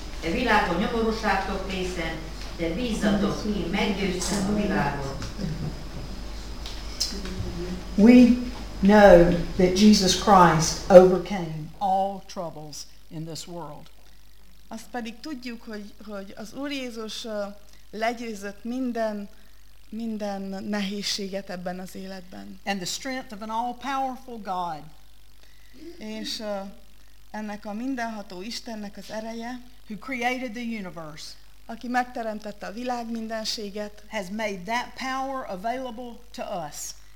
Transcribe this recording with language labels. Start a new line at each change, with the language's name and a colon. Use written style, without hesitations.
Hungarian: E világon nyomorúságtok részen, de bízzatok, én meggyőztem a világot.
English: We know that Jesus Christ overcame all troubles in this world.
Hungarian: Azt pedig tudjuk, hogy az Úr Jézus legyőzött minden nehézséget ebben az életben.
English: And the strength of an all-powerful God.
Hungarian: És ennek a mindenható Istennek az ereje,
English: who created the universe,
Hungarian: aki megteremtette a világ mindenséget,
English: has made that power available to us.